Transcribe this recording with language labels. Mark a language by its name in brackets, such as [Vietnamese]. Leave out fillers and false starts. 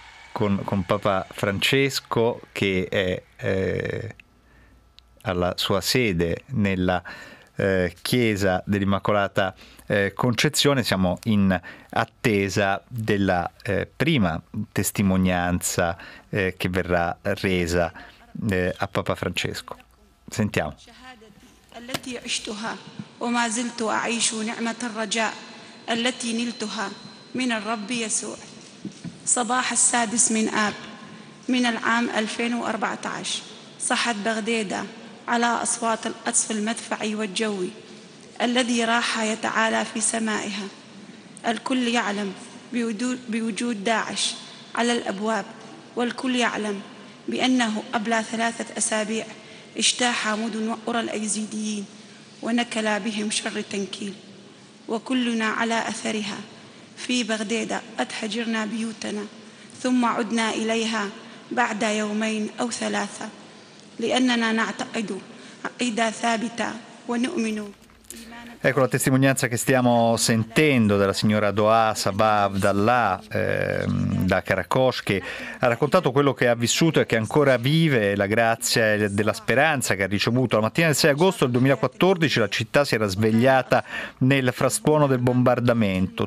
[Italian] con Papa Francesco che è alla sua sede nella chiesa dell'Immacolata Concezione, siamo in attesa della prima testimonianza che verrà resa a Papa Francesco. Sentiamo. [Arabic] التي عشتها وما زلت اعيش نعمة الرجاء التي نلتها من الرب يسوع صباح السادس من آب من العام 2014 صحت بغداد على اصوات القصف المدفعي والجوي الذي راح يتعالى في سمائها الكل يعلم بوجود داعش على الأبواب والكل يعلم بأنه قبل ثلاثة أسابيع اجتاح مدن وقرى الأيزيديين ونكل بهم شر التنكيل وكلنا على أثرها في بغداد أتحجرنا بيوتنا ثم عدنا إليها بعد يومين أو ثلاثة لأننا نعتقد عقيدة ثابتة ونؤمن. [Italian] Ecco la testimonianza che stiamo sentendo della signora Doa Sabah Abdallah da Karakoš, che ha raccontato quello che ha vissuto e che ancora vive la grazia della speranza che ha ricevuto. La mattina del 6 agosto del 2014 la città si era svegliata nel frastuono del bombardamento.